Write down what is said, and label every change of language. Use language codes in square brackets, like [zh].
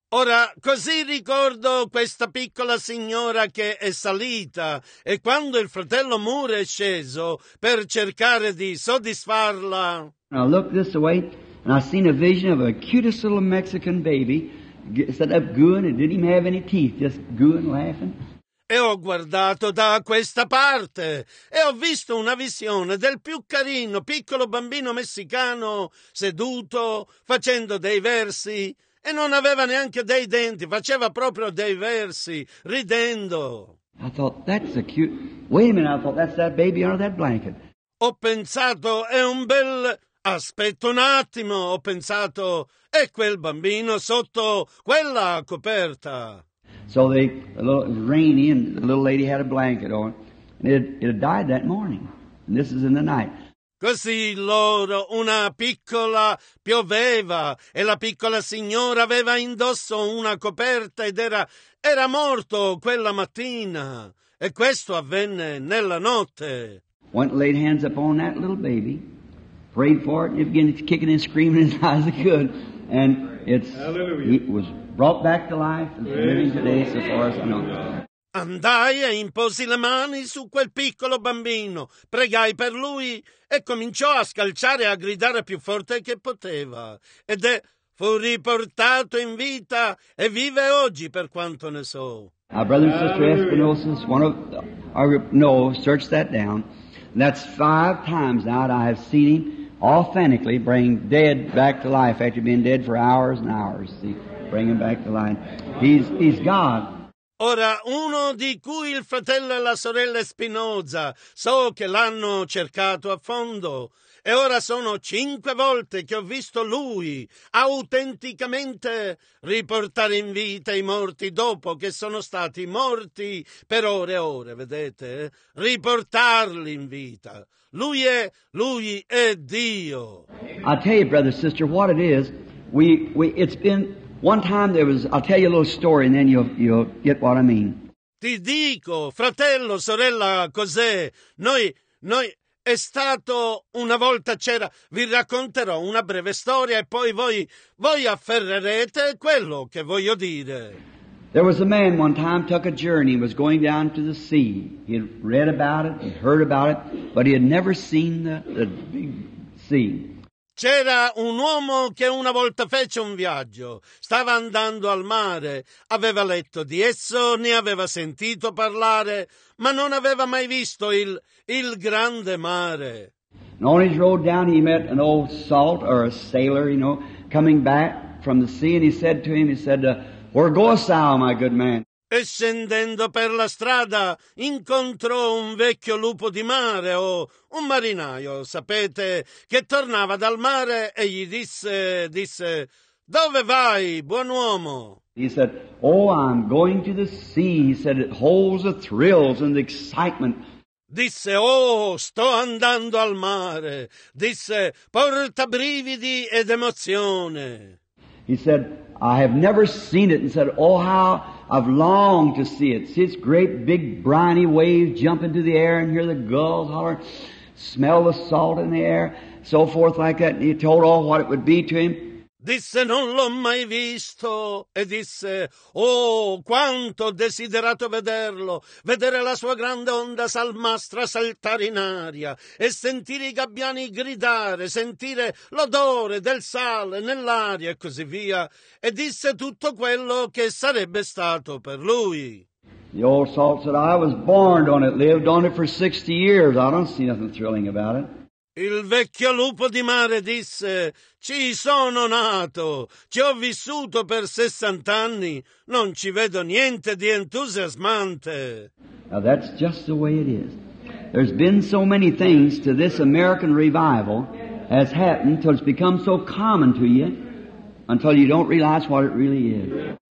[it] Ora, così ricordo questa piccola signora che è salita, e quando il fratello Moore è sceso per cercare di soddisfarla. [en] And I looked this way, and I seen a vision of the cutest little Mexican baby set up gooing and didn't even have any teeth, just gooing, laughing. [it] E ho guardato da questa parte e ho visto una visione del più carino piccolo bambino messicano seduto facendo dei versi e non aveva neanche dei denti, faceva proprio dei versi ridendo. [en] I thought that's a cute. Wait a minute, I thought that's that baby under that blanket. [it] Ho pensato è un bel. Aspetta un attimo, ho pensato è quel bambino sotto quella coperta. [en] So they, a little, it was rainy, and the little lady had a blanket on, and it had died that morning, and this is in the night. [it] Così loro, una piccola pioveva, e la piccola signora aveva indosso una coperta, ed era morto quella mattina, e questo avvenne nella notte. [en] Went and laid hands upon that little baby, prayed for it, and it began kicking and screaming as high as it could, and it was brought back to life and living today, so far as I know. [it] Andai e imposi le mani su quel piccolo bambino, pregai per lui e cominciò a scalciare e a gridare più forte che poteva. Ed è fu riportato in vita e vive oggi, per quanto ne so. [en] Our brother and sister Espinosa, one of our group, no, search that down. That's five times now that I have seen him authentically bring dead back to life after being dead for hours and hours. See? Bring him back to life. He's God. [it] Ora, uno di cui il fratello e la sorella Spinoza so che l'hanno cercato a fondo. E ora sono cinque volte che ho visto lui autenticamente riportare in vita i morti dopo che sono stati morti per ore e ore, vedete? Riportarli in vita. Lui è Dio. [en] I tell you, brother, sister, what it is, it's been... One time there was, I'll tell you a little story and then you'll get what I mean. [it] Ti dico, fratello, sorella, cos'è? Noi, è stato una volta c'era, vi racconterò una breve storia e poi voi afferrerete quello che voglio dire. [en] There was a man one time took a journey, was going down to the sea. He had read about it, he heard about it, but he had never seen the big sea. [it] C'era un uomo che una volta fece un viaggio, stava andando al mare, aveva letto di esso, ne aveva sentito parlare, ma non aveva mai visto il grande mare. [en] And on his road down, he met an old salt or a sailor, you know, coming back from the sea. And he said to him, where goest thou, my good man? [it] E scendendo per la strada incontrò un vecchio lupo di mare o un marinaio, sapete, che tornava dal mare e gli disse, dove vai, buon uomo? [en] He said, I'm going to the sea. He said, it holds the thrills and the excitement. [it] Disse, sto andando al mare. Disse, porta brividi ed emozione. [en] He said, I have never seen it, and said, how I've longed to see it. See its great big briny waves jump into the air and hear the gulls holler, smell the salt in the air, so forth like that. And he told all what it would be to him. [it] Disse, non l'ho mai visto. E disse, quanto ho desiderato vederlo, vedere la sua grande onda salmastra saltare in aria e sentire i gabbiani gridare, sentire l'odore del sale nell'aria e così via. E disse tutto quello che sarebbe stato per lui. [en] The old salt said, I was born on it, lived on it for 60 years. I don't see nothing thrilling about it. [it] Il vecchio lupo di mare disse, ci sono nato, ci ho vissuto per 60 anni, non ci vedo niente di entusiasmante. [en] Now that's just the way it is. There's been so many things to this American revival has happened till it's become so common to you until you don't realize what it really is.